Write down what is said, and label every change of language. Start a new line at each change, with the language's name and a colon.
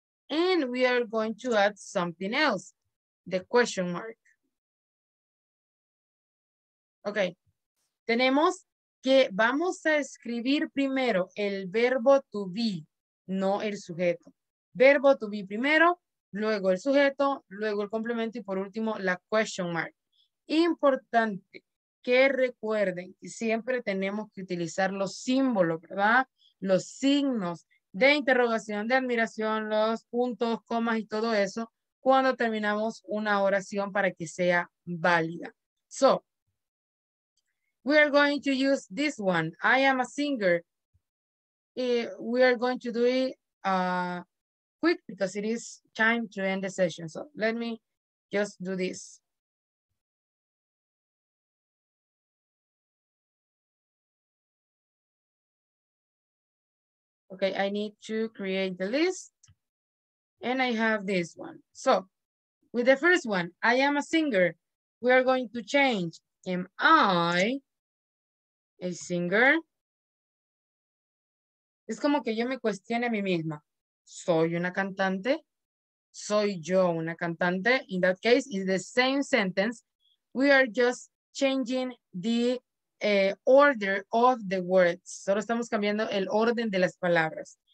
English: And we are going to add something else, the question mark.
Spanish: Ok, tenemos que vamos a escribir primero el verbo to be, no el sujeto. Verbo to be primero, luego el sujeto, luego el complemento y por último la question mark. Importante que recuerden que siempre tenemos que utilizar los símbolos, ¿verdad? Los signos de interrogación, de admiración, los puntos, comas y todo eso cuando terminamos una oración para que sea válida.
English: So, we are going to use this one. I am a singer. We are going to do it quick because it is time to end the session. So let me just do this. Okay, I need to create the list and I have this one. So with the first one, I am a singer. We are going to change. Am I a singer?
Spanish: Es como que yo me cuestione a mí misma. ¿Soy una cantante? ¿Soy yo una cantante?
English: In that case, it's the same sentence. We are just changing the order of the words.
Spanish: Solo estamos cambiando el orden de las palabras.